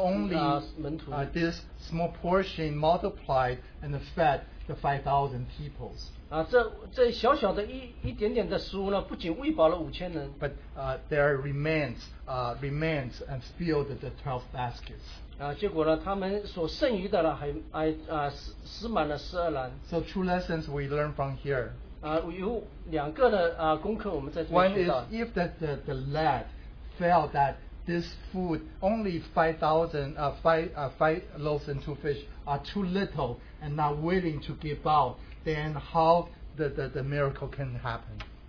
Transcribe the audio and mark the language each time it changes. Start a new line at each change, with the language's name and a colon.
English: Not only this small portion multiplied and fed the 5,000 people.
Chinese: 这小小的一点点的食物呢，不仅喂饱了5,000人。
English: But there remains and filled the 12 baskets.
Chinese: 结果呢，他们所剩余的呢，还满了12篮。
English: So two lessons we learn from here.
Chinese: 有两个的功课我们在这边学到。
English: One is if the lad felt that this food, only 5,000, five loaves and two fish are too little and not willing to give out, then how the miracle can happen?